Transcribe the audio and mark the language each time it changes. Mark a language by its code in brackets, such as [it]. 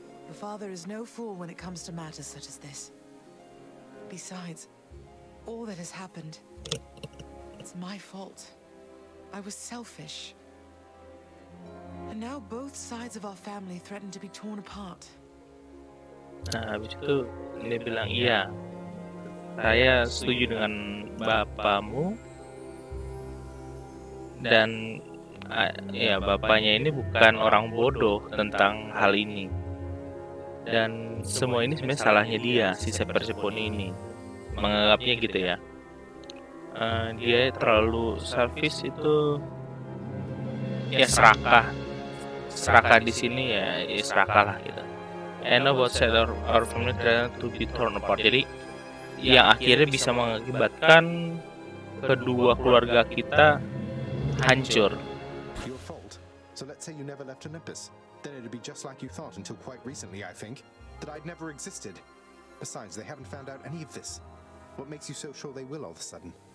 [en] Your father is no fool when it comes to matters such as this. Besides, all that has happened, it's my fault. I was selfish. And now both sides of our family threaten to be torn apart. [id] Nah, habis itu dia bilang, iya, saya setuju dengan bapamu. Dan ya, bapaknya ini bukan orang bodoh tentang hal ini. Dan semua ini sebenarnya salahnya dia, si Persephone ini. Menganggapnya gitu ya. Dia terlalu selfish itu. Ya serakah. seraka di sini ya, ya seraka lah gitu. [en] And about set our family trying to be torn apart. [id] Jadi yang akhirnya bisa mengakibatkan kedua keluarga kita hancur. [en] Your fault. So let's say you never left Olympus. Then it'd be just like you thought until quite recently, I think, that I'd never existed. Besides, they haven't found out any of this. What makes you so sure they will all of a sudden?